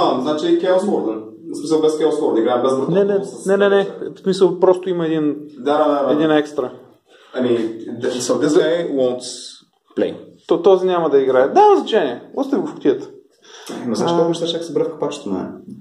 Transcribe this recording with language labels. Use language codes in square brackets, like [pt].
[bg] Значи и Chaos Lord. В смисъл без Chaos Lord, играем без Брата. Не. В смисъл просто има един, един екстра. [en] Ами, this guy won't play. [bg] Този няма да играе. Да, значение. Остави го в кутията. Ама знаеш какво мисля, че се бръв капачето на...